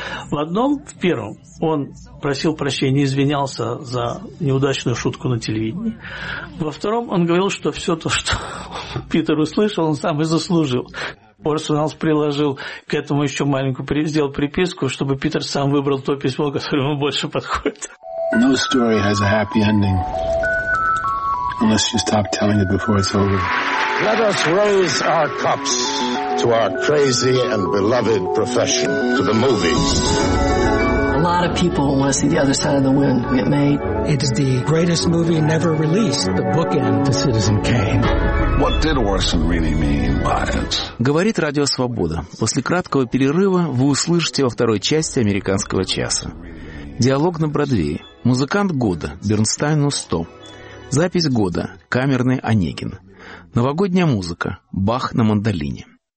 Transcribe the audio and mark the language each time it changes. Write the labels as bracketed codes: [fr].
[ru] В одном, в первом, он просил прощения, извинялся за неудачную шутку на телевидении. Во втором, он говорил, что все то, что Питер услышал, он сам и заслужил. Орсон Уэллс приложил к этому еще маленькую, сделал приписку, чтобы Питер сам выбрал то письмо, которое ему больше подходит. [en] No story has a happy ending unless you stop telling it before it's over. Let us raise our cups to our crazy and beloved profession, to the movies. A lot of people want to see the other side of the wind get made. It's the greatest movie never released, the bookend to Citizen Kane. What did Orson really mean by it? [ru] Говорит Радио Свобода. После краткого перерыва вы услышите во второй части «Американского часа». Диалог на Бродвее. Музыкант года. Бернстайну 100. Запись года. Камерный Онегин. Новогодняя музыка. Бах на мандолине.